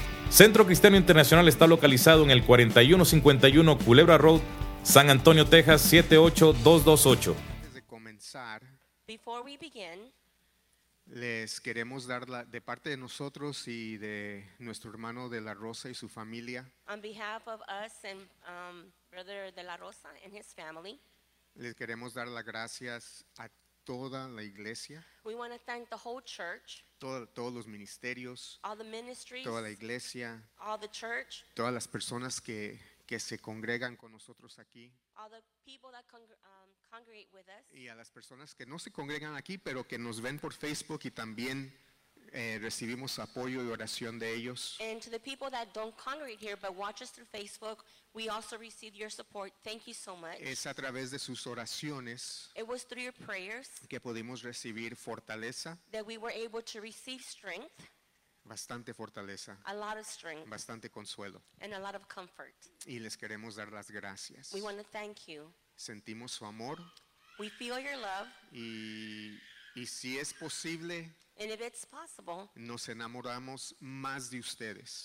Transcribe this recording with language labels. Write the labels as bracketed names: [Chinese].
[Spanish] Centro Cristiano Internacional está localizado en el 4151 Culebra Road, San Antonio, Texas, 78228. Antes de comenzar, [English] before we begin, [Spanish] les queremos dar de parte de nosotros y de nuestro hermano De La Rosa y su familia, [English] on behalf of us and Brother De La Rosa and his family, [Spanish] les queremos dar las gracias a toda la iglesia. [English] We want to thank the whole church. [Spanish] Todos los ministerios, [English] all the ministries, [Spanish] toda la iglesia, [English] all the church, [Spanish] todas las personas que se congregan con nosotros aquí, [English] all the people that congregate with us, [Spanish] y a las personas que no se congregan aquí pero que nos ven por Facebook y también recibimos apoyo y oración de ellos. [English] And to the people that don't congregate here but watch us through Facebook, we also receive your support. Thank you so much. [Spanish] Es a través de sus oraciones, [English] it was through your prayers, [Spanish] que pudimos recibir fortaleza, [English] that we were able to receive strength, [Spanish] bastante fortaleza, [English] a lot of strength, [Spanish] bastante consuelo, [English] and a lot of comfort. [Spanish] Y les queremos dar las gracias. [English] We want to thank you. [Spanish] Sentimos su amor. [English] We feel your love. [Spanish] Y si es posible, [English] and if it's possible, [Spanish] nos enamoramos más de ustedes.